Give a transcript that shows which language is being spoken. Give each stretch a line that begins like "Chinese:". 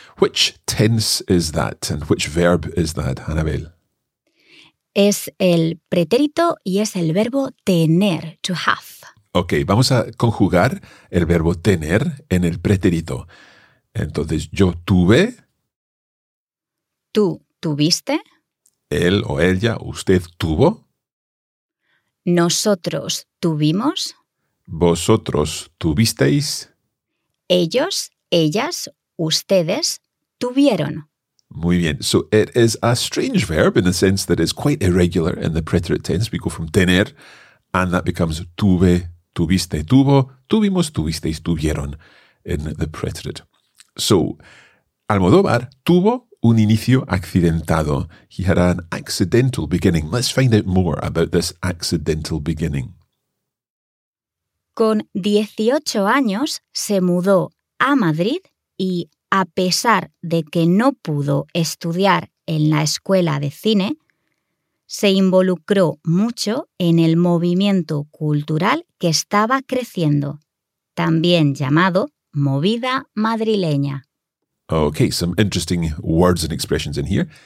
English: Which tense is that and which verb is that, Anabel?
Spanish: Es el pretérito y es el verbo tener,
English: to have.
Spanish: Okay, vamos a conjugar el verbo tener en el pretérito. Entonces, yo tuve. Tú tuviste. Él o ella, usted tuvo. Nosotros tuvimos. Vosotros tuvisteis. Ellos, ellas, ustedes tuvieron. Muy bien.
English: So it is a strange verb in the sense that it's quite irregular in the preterite tense. We go from tener and that becomes
Spanish: tuve, tuviste, tuvo, tuvimos, tuvisteis, tuvieron
English: in the preterite. So,
Spanish: Almodóvar tuvo un inicio accidentado.
English: He had an accidental beginning. Let's find out more about this accidental beginning.
Spanish: Con 18 años se mudó a Madrid y a pesar de que no pudo estudiar en la escuela de cine, se involucró mucho en el movimiento cultural que estaba creciendo, también llamado movida madrileña.
English: Okay, some interesting words and expressions in here.